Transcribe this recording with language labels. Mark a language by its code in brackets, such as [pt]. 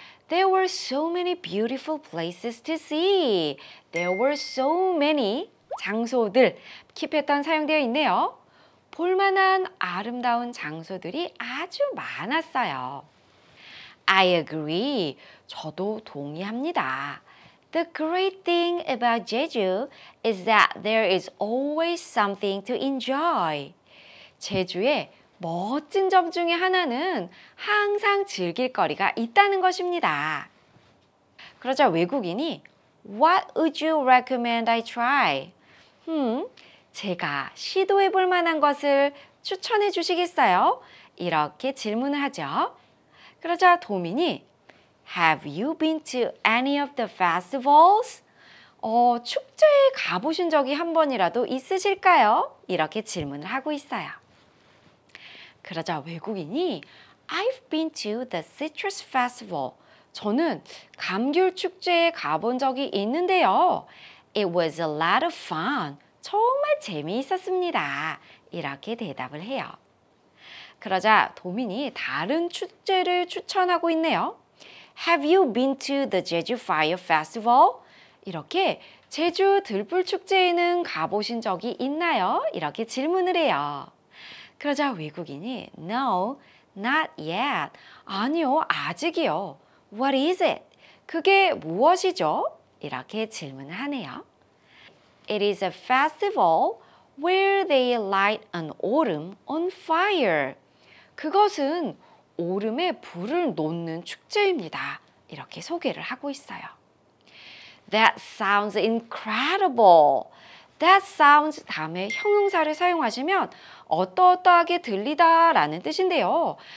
[en] There were so many beautiful places to see. There were so many [ko] 장소들 키패턴 사용되어 있네요. 볼만한 아름다운 장소들이 아주 많았어요. [en] I agree. [ko] 저도 동의합니다. [en] The great thing about Jeju is that there is always something to enjoy. [ko] 제주의 멋진 점 중에 하나는 항상 즐길 거리가 있다는 것입니다. 그러자 외국인이 [en] What would you recommend I try? [ko] 제가 시도해 볼 만한 것을 추천해 주시겠어요? 이렇게 질문을 하죠. 그러자 도민이 [en] Have you been to any of the festivals? [ko] 축제에 가보신 적이 한 번이라도 있으실까요? 이렇게 질문을 하고 있어요. 그러자 외국인이 [en] I've been to the citrus festival. [ko] 저는 감귤 축제에 가본 적이 있는데요. [en] It was a lot of fun. [ko] 정말 재미있었습니다. 이렇게 대답을 해요. 그러자 도민이 다른 축제를 추천하고 있네요. [en] Have you been to the Jeju Fire Festival? [ko] 이렇게 제주 들불 축제에는 가보신 적이 있나요? 이렇게 질문을 해요. 그러자 외국인이 [en] No, not yet. [ko] 아니요, 아직이요. [en] What is it? [ko] 그게 무엇이죠? 이렇게 질문을 하네요. [en] It is a festival where they light an 오름 on fire. [ko] 그것은 오름에 불을 놓는 축제입니다. 이렇게 소개를 하고 있어요. [en] That sounds incredible. That sounds [ko] 다음에 형용사를 사용하시면 어떠어떠하게 들리다 라는 뜻인데요.